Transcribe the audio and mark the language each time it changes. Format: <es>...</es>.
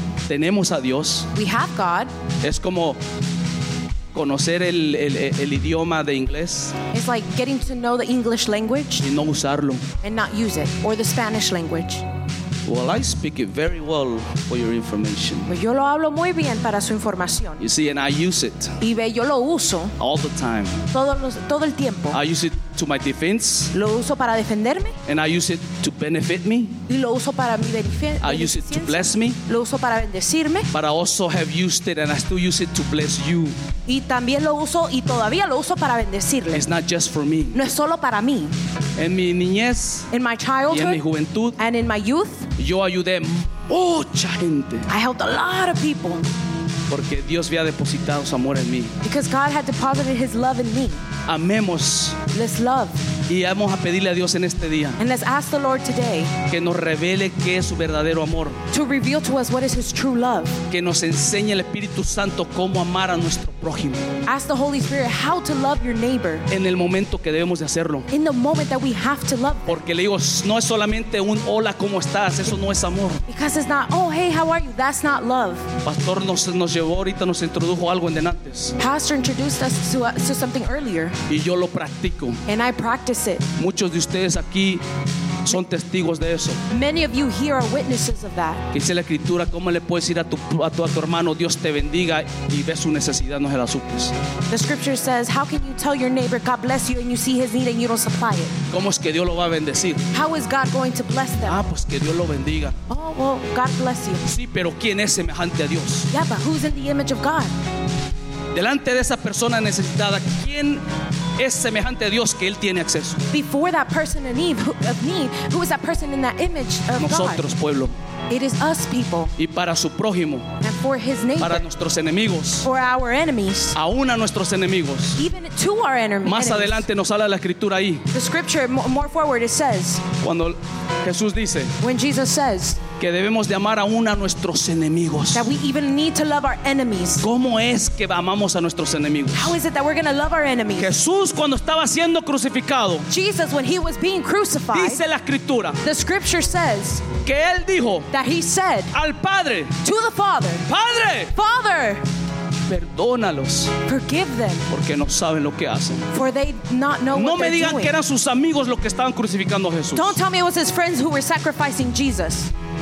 <es>Tenemos a Dios.</es> <en>We have God.</en> <es>Es como conocer el idioma de inglés.</es> <en>It's like getting to know the English language.</en> <es>Y no usarlo.</es> <en>And not use it. Or the Spanish language. Well, I speak it very well for your information.</en> <es>Yo lo hablo muy bien para su información.</es> <en>You see, and I use it.</en> <es>Y ve, yo lo uso.</es> <en>All the time.</en> <es>Todo el tiempo.</es> <en>I use it to my defense.</en> <es>Lo uso para defenderme.</es> <en>And I use it to benefit me.</en> <es>Y lo uso para mi beneficio.</es> <en>I use it to bless me.</en> <es>Lo uso para bendecirme.</es> <en>But I also have used it and I still use it to bless you.</en> <es>Y también lo uso y todavía lo uso para bendecirle.</es> <en>It's not just for me.</en> <es>No es solo para mí. En mi niñez.</es> <en>In my childhood.</en> <es>Y en mi juventud.</es> <en>And in my youth.</en> <es>Yo ayudé mucha gente.</es> <en>I helped a lot of people.</en> <es>Porque Dios había depositado su amor en mí.</es> <en>Because God had deposited his love in me.</en> <es>Amemos.</es> <en>Let's love.</en> <es>Y vamos a pedirle a Dios en este día.</es> <en>And let's ask the Lord today.</en> <es>Que nos revele qué es su verdadero amor.</es> <en>To reveal to us what is his true love.</en> <es>Que nos enseñe el Espíritu Santo cómo amar a nuestro prójimo.</es> <en>Ask the Holy Spirit how to love your neighbor.</en> <es>En el momento que debemos de hacerlo.</es> <en>In the moment that we have to love.</en> <es>Porque le digo, no es solamente un hola, ¿cómo estás? Eso no es amor.</es> <en>Because it's not, oh, hey, how are you? That's not love.</en> <es>Pastor nos llevó ahorita, nos introdujo algo en antes.</es> <en>Pastor introduced us to something earlier.</en> <es>Y yo lo practico.</es> <en>And I practice it.</en> <es>Muchos de ustedes aquí son testigos de eso.</es> <en>Many of you here are witnesses of that.</en> <es>Dice la escritura, ¿cómo le puedes ir a tu hermano, Dios te bendiga, y ves su necesidad, no se la suples?</es> <en>The scripture says, how can you tell your neighbor, God bless you, and you see his need and you don't supply it?</en> <es>¿Cómo es que Dios lo va a bendecir?</es> <en>How is God going to bless them?</en> <es>Ah, pues que Dios lo bendiga.</es> <en>Oh, well, God bless you.</en> <es>Sí, pero ¿quién es semejante a Dios?</es> <en>Yeah, but who's in the image of God?</en> <es>Delante de esa persona necesitada, ¿quién es semejante a Dios que él tiene acceso?</es> <en>Before that person in need, who is that person in that image of</en> <es>nosotros,</es> <en>God?</en> <es>Nosotros, pueblo.</es> <en>It is us, people.</en> <es>Y para su prójimo.</es> <en>And for his neighbor.</en> <es>Para nuestros enemigos.</es> <en>For our enemies.</en> <es>Aún a nuestros enemigos.</es> <en>Even to our enemies.</en> <es>Más adelante nos habla la escritura ahí.</es> <en>The scripture, more forward, it says.</en> <es>Cuando Jesús dice.</es> <en>When Jesus says.</en> <es>Que debemos de amar aún a nuestros enemigos.</es> <en>That we even need to love our enemies.</en> <es>¿Cómo es que amamos a nuestros enemigos?</es> <en>How is it that we're going to love our enemies?</en> <es>Jesús, cuando estaba siendo crucificado.</es> <en>Jesus, when he was being crucified.</en> <es>Dice la escritura.</es> <en>The scripture says.</en> <es>Que él dijo.</es> <en>That he said.</en> <es>Al Padre.</es> <en>To the Father.</en> <es>Padre.</es> <en>Father.</en> <es>Perdónalos.</es> <en>Forgive them.</en> <es>Porque no saben lo que hacen.</es> <en>For they not know what</en> <es>no me digan que eran sus amigos los que estaban crucificando a Jesús.</es> <en>Don't tell me it was his friends who were sacrificing Jesus.</en>